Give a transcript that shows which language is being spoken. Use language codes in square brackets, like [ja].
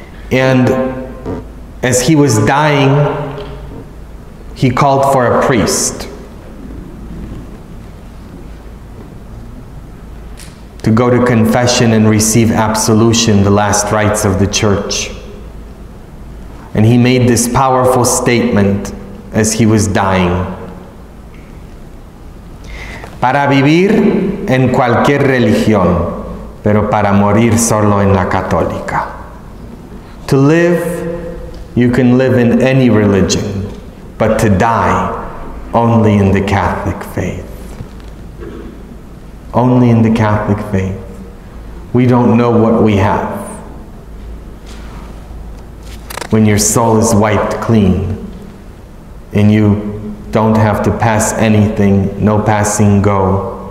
[en] And as he was dying, he called for a priest to go to confession and receive absolution, the last rites of the church. And he made this powerful statement as he was dying. [es] Para vivir en cualquier religión, pero para morir solo en la católica. [en] To live, you can live in any religion, but to die, only in the Catholic faith. only in the Catholic faith. We don't know what we have when your soul is wiped clean and you don't have to pass anything, no passing go.